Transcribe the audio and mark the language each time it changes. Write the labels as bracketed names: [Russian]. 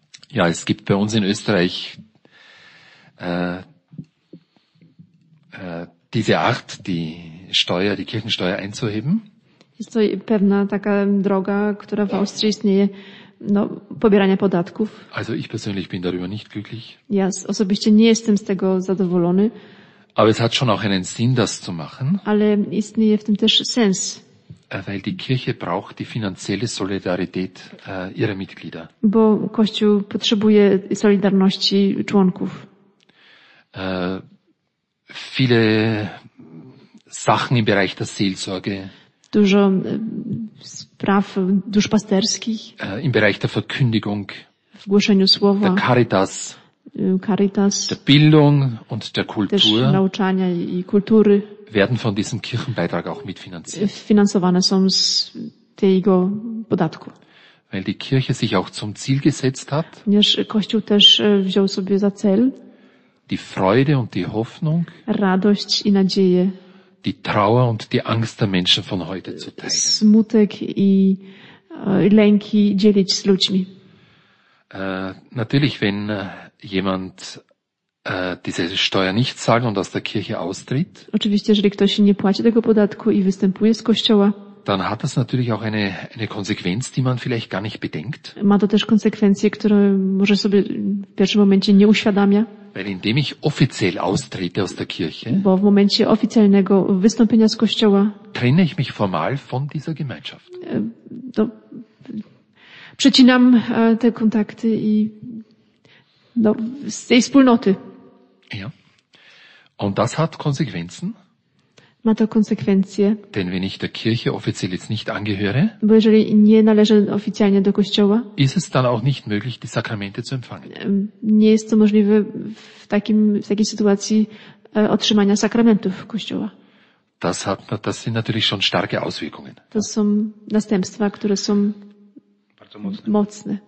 [German] Ja, es gibt bei uns in Österreich diese Art, die Kirchensteuer einzuheben. [Polish] Jest to pewna taka droga, która w Austrii istnieje, pobierania podatków. [German] Also ich persönlich bin darüber nicht glücklich. [Polish] Ja, osobiście nie jestem z tego zadowolony. [German] Aber es hat schon auch einen Sinn, das zu machen. [Polish] Ale istnieje w tym też sens. [German] Weil die Kirche braucht die finanzielle Solidarität ihrer Mitglieder. [Polish] Bo Kościół potrzebuje solidarności członków. [German] Viele Sachen im Bereich der Seelsorge. [Polish] Dużo spraw duszpasterskich. [German] Im Bereich der Verkündigung. [Polish] W głoszeniu słowa. [German] Der Caritas. [Polish] Caritas. [German] Der Bildung und der Kultur. [Polish] Też nauczania i kultury. [German] Werden von diesem Kirchenbeitrag auch mitfinanziert. [Polish] Finansowane są z tego podatku. [German] Weil die Kirche sich auch zum Ziel gesetzt hat. [Polish] Ponieważ Kościół też wziął sobie za cel. [German] Die Freude und die Hoffnung. [Polish] Radość i nadzieje. [German] Die Trauer und die Angst der Menschen von heute zu teilen. [Polish] Smutek i lęki dzielić z ludźmi. [German] Natürlich, wenn jemand diese Steuer nicht zahlt und aus der Kirche austritt. [Polish] Oczywiście, jeżeli ktoś nie płaci tego podatku i występuje z kościoła. [German] Dann hat das natürlich auch eine Konsequenz, die man vielleicht gar nicht bedenkt. [Polish] Ma to też konsekwencje, które może sobie w pierwszym momencie nie uświadamia. [German] Weil indem ich offiziell austrete aus der Kirche, [Polish] bo w momencie oficjalnego wystąpienia z kościoła, [German] trenne ich mich formal von dieser Gemeinschaft. [Polish] Przecinam te kontakty i z tej wspólnoty. [German] Ja. Und das hat Konsequenzen. [Polish] ma to konsekwencje. [German] Denn wenn ich der Kirche offiziell jetzt nicht angehöre, [Polish] bo jeżeli nie należę oficjalnie do kościoła, [German] ist es dann auch nicht möglich, die Sakramente zu empfangen. [Polish] Nie jest to możliwe w takiej sytuacji otrzymania sakramentów kościoła. [German] Das sind natürlich schon starke Auswirkungen. [Polish] To są następstwa, które są bardzo mocne.